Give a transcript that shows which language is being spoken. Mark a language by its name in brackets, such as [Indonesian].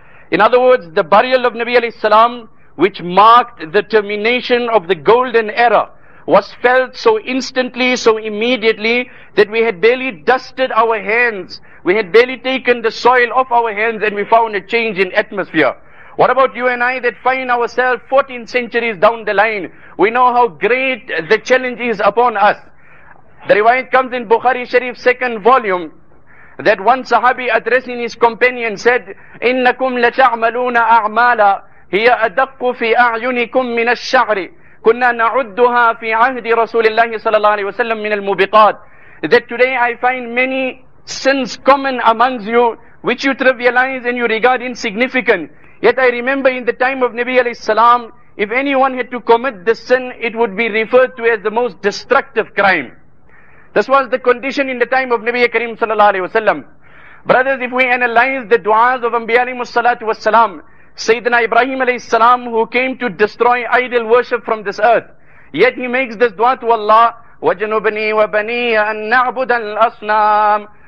[English] In other words, the burial of Nabi alayhi salam, which marked the termination of the golden era, was felt so instantly, so immediately, that we had barely dusted our hands, we had barely taken the soil off our hands, and we found a change in atmosphere. What about you and I that find ourselves 14 centuries down the line? We know how great the challenge is upon us. The riwayat comes in Bukhari Sharif, second volume, that one sahabi addressing his companion said, [Arabic] إِنَّكُمْ لَتَعْمَلُونَ أَعْمَالًا هِيَ أَدَقُّ فِي أَعْيُنِكُمْ مِنَ الشَّعْرِ كنا نعدها في عهد رسول الله صلى الله عليه وسلم من المبقات. [English] That today I find many sins common amongst you, which you trivialize and you regard insignificant. Yet I remember in the time of Nabi alayhi salam, if anyone had to commit the sin, it would be referred to as the most destructive crime. This was the condition in the time of Nabi Karim صلى الله عليه وسلم. Brothers, if we analyze the du'as of Anbiya alayhi salatu was salam, Sayyidina Ibrahim alayhi salam, who came to destroy idol worship from this earth, yet he makes this dua to Allah, [Arabic] وَجَنُبْنِي وَبَنِيَ أَن نَعْبُدَ الْأَصْنَامِ.